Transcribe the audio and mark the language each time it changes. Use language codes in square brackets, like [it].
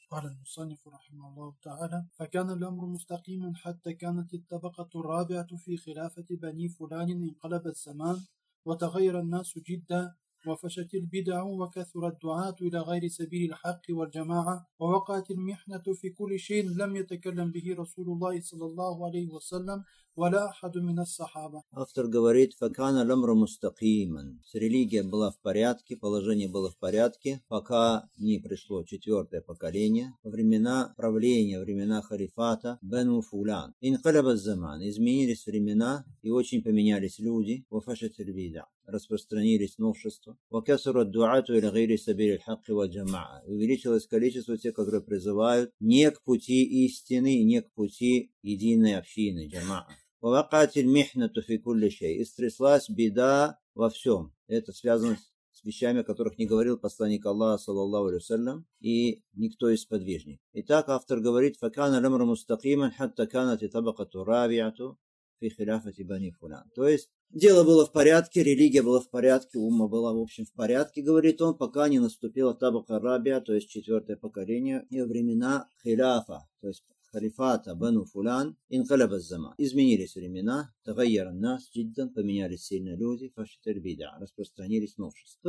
[ar] قال المصنف رحمه الله تعالى: فكان الأمر مستقيما حتى كانت الطبقة الرابعة في خلافة بني فلان، انقلب الزمان وتغير الناس جدا، وفشت البدع وكثر الدعاة إلى غير سبيل الحق والجماعة، ووقعت المحنة في كل شيء لم يتكلم به رسول الله صلى الله عليه وسلم ولا أحد من الصحابة. [ru] Автор говорит: [ar] فكان الأمر مستقيما. [ru] Религия была в порядке, положение было в порядке, пока не пришло четвертое поколение, времена правления, времена халифата Бену Фулан. [ar] انقلب الزمان. [ru] Изменились времена и очень поменялись люди. [ar] وفشت البدع. [ru] Распространились новшества. [ar] وَكَسُرَ الدُّعَةُ إِلَى غَيْرِ سَبِيلِ الْحَقِّ وَالْجَمَعَةِ. [ru] Увеличилось количество тех, которые призывают не к пути истины, не к пути единой общины, джама'а. [ar] وَوَقَعَتِ الْمِحْنَةُ فِي كُلِّ شَيْءٍ. [ru] И стряслась беда во всем. Это связано с вещами, о которых не говорил посланник Аллаха, саллаллаху алейхи ва саллям, и никто из подвижников. Итак, автор говорит: [ar] فَكَانَ الْأَمْرُ مُسْتَقِيمًا حَتَّى كَانَتِ طَبَقَةُ رَابِعَةُ فِي خِلَافَةِ بَنِي فُلَانٍ. [ru] То есть дело было в порядке, религия была в порядке, умма была, в общем, в порядке, говорит он, пока не наступила табака рабия, то есть четвертое поколение, и времена хилафа, то есть халифата бану фулан, [ar] инкалаб аз-заман. [ru] Изменились времена, [ar] тагайяра нас джиддан, [ru] поменялись сильно люди, [ar] фашитель бида, [ru] распространились новшества.